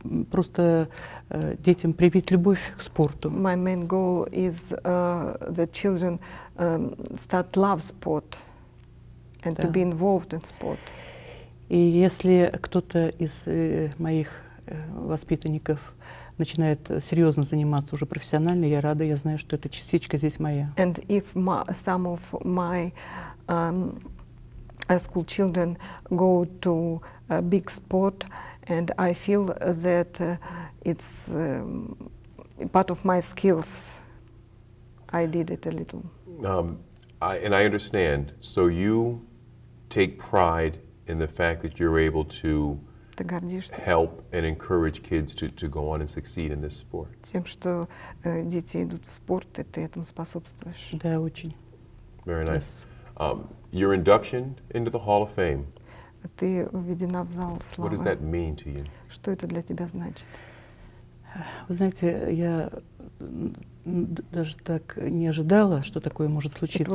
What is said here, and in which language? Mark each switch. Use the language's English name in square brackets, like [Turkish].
[Russian] Просто детям привить любовь к спорту. [English] My main goal is that children start love sport and to be involved in sport. [Russian] И если кто-то из моих воспитанников начинает серьезно заниматься уже профессионально, я рада, я знаю, что эта частичка здесь моя. [English] And if some of my school children go to a big sport, and I feel that it's part of my skills, I did it a little. I understand. So you take pride in the fact that you're able to help and encourage kids to go on and succeed in this sport. [Russian] Тем, что дети идут в спорт, и ты этому способствуешь. Да, очень. [English] Very nice. Yes. Your induction into the Hall of Fame. [Russian] Ты введена в зал славы. [English] What does that mean to you? [Russian] Что это для тебя значит? Вы знаете, я даже так не ожидала, что такое может случиться.